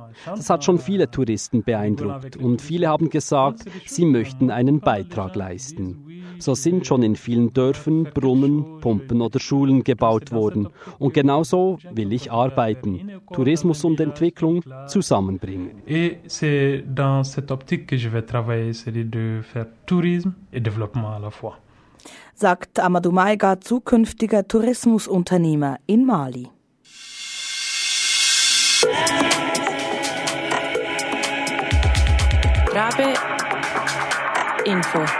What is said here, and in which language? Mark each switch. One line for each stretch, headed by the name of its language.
German: Das hat schon viele Touristen beeindruckt und viele haben gesagt, sie möchten einen Beitrag leisten. So sind schon in vielen Dörfern Brunnen, Pumpen oder Schulen gebaut worden. Und genau so will ich arbeiten, Tourismus und Entwicklung zusammenbringen.
French: Et c'est dans cette optique que je vais travailler, c'est-à-dire de faire tourisme et développement à la fois.
German: Sagt Amadou Maiga, zukünftiger Tourismusunternehmer in Mali. Rabe Info.